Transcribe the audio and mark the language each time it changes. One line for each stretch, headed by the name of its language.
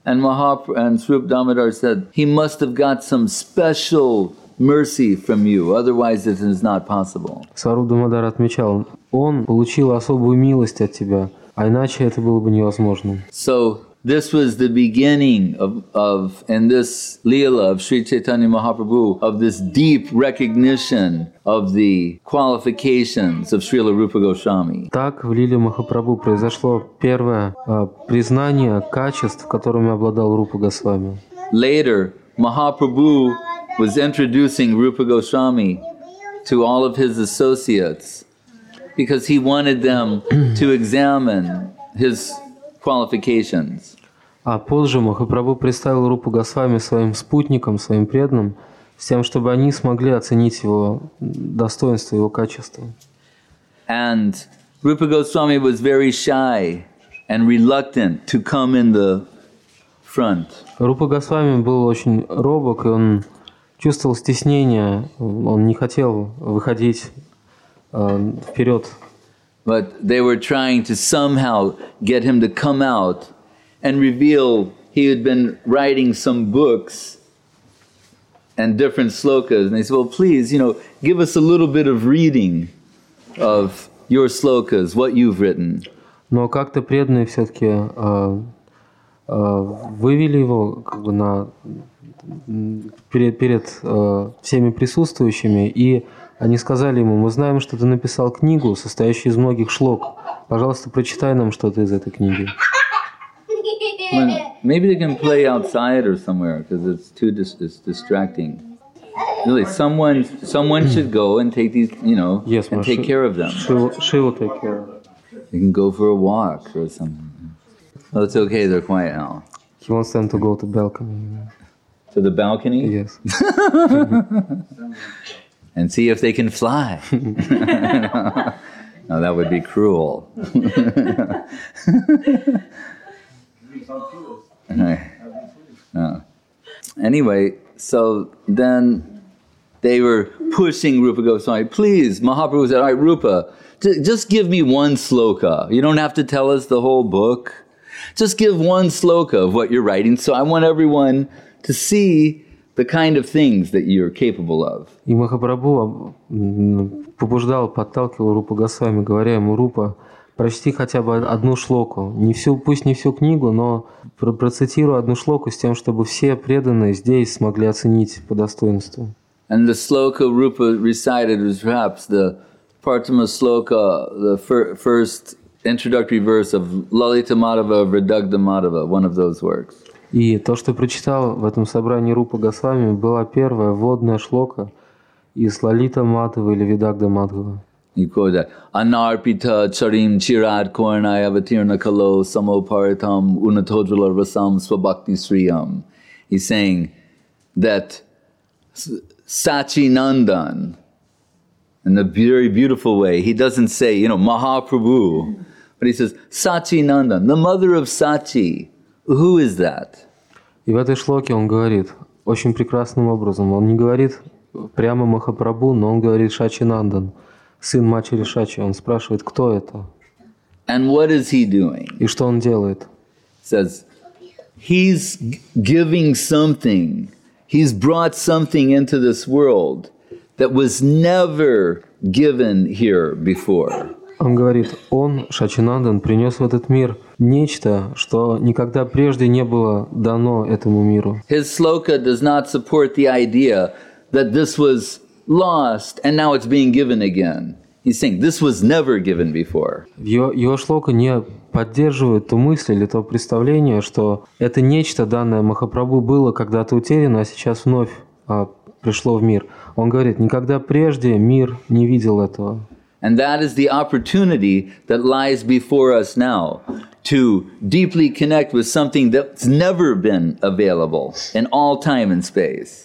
English: And Srupa Damodar said, he must have got some special mercy from you, otherwise it is not possible.
Russian: Сварупа Дамодар отмечал, он получил особую милость от тебя, а иначе это было бы невозможно.
English: So this was the beginning of in this lila of Sri Chaitanya Mahaprabhu of this deep recognition of the qualifications of Srila Rupa Goswami.
Russian: Так в лиле Махапрабху произошло первое признание качеств, которыми обладал Рупа Госвами.
English: Later, Mahaprabhu was introducing Rupa Goswami to all of his associates because he wanted them to examine his qualifications.
Russian: А позже Махапрабху представил Рупу Госвами своим спутникам, своим преданным, с тем, чтобы они смогли оценить его достоинство, его качество.
English: And Rupa Goswami was very shy and reluctant to come in the front.
Russian: Рупа Госвами был очень робок, и он чувствовал стеснение. Он не хотел выходить вперед.
English: But they were trying to somehow get him to come out and reveal he had been writing some books and different slokas. And they said, well, please, you know, give us a little bit of reading of your slokas, what you've written.
Russian: Но как-то преданные все-таки вывели его как бы на перед всеми присутствующими, и они сказали ему: мы знаем, что ты написал книгу, состоящую из многих шлок. Пожалуйста, прочитай нам что-то из этой книги.
English: When, maybe they can play outside or somewhere, because it's too it's distracting. Really, someone should go and take these, you know, yes, and take care of them. She will take care. They can go for a walk or something. Oh, it's okay. They're quiet now. He wants them to go to balcony. To the balcony? Yes. And see if they can fly. No, that would be cruel. Anyway, so then they were pushing Rupa Goswami. Please, Mahaprabhu said, all right, Rupa, just give me one sloka. You don't have to tell us the whole book. Just give one sloka of what you're writing. So I want everyone to see the kind of things that you're capable of.
Russian: И Махапрабху побуждал, подталкивал Рупа Госвами, говоря ему: Рупа, прочти хотя бы одну шлоку. Не всю, пусть не всю книгу, но процитируй одну шлоку с тем, чтобы все преданные здесь смогли оценить по достоинству.
English: And the sloka Rupa recited was perhaps the Parthama sloka, the first introductory verse of Lalita Madhava Vridagda Madhava, one of those works.
Russian: И то, что прочитал в этом собрании Рупа Госвами, была первая вводная шлока из Лалита Мадхава или Видагда Мадхава.
English: You quote that.
Sanskrit: Anarpita charim chirad kornai avatirna kalo samoparitam unatodrala rasam swabhakti sriyam.
English: He's saying that Sachi Nandan, in a very beautiful way, he doesn't say, you know, Mahaprabhu, but he says Sachi Nandan, the mother of Sachi. Who is that?
Russian: И в этой шлоке он говорит очень прекрасным образом. Он не говорит прямо Махапрабху, но он говорит Шачи Нандан, сын матери Шачи. Он спрашивает, кто это?
English: And what is he doing?
Russian: И что он делает?
English: Says, he's giving something. He's brought something into this world that was never given here before.
Russian: Он говорит, он, Шачи Нандан, принес в этот мир нечто, что никогда прежде не было дано этому миру.
English: His sloka does not support the idea that this was lost and now it's being given again. He's saying this was never given before.
Russian: Его шлока не поддерживает ту мысль или то представление, что это нечто, данное Махапрабху, было когда-то утеряно, а сейчас вновь пришло в мир. Он говорит, никогда прежде мир не видел этого.
English: And that is the opportunity that lies before us now, to deeply connect with something that's never been available in all time and space.